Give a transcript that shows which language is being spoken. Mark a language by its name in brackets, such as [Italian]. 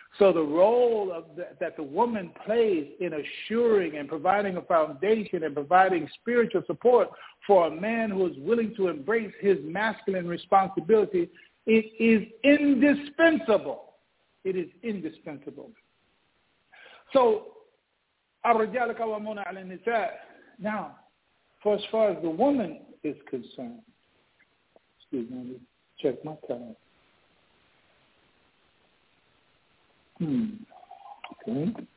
[English] So the role of that the woman plays in assuring and providing a foundation and providing spiritual support for a man who is willing to embrace his masculine responsibility, it is indispensable. It is indispensable. So, [Arabic] الرجال قوامون على النساء. [English] Now, for as far as the woman is concerned, excuse me, let me check my time. Okay.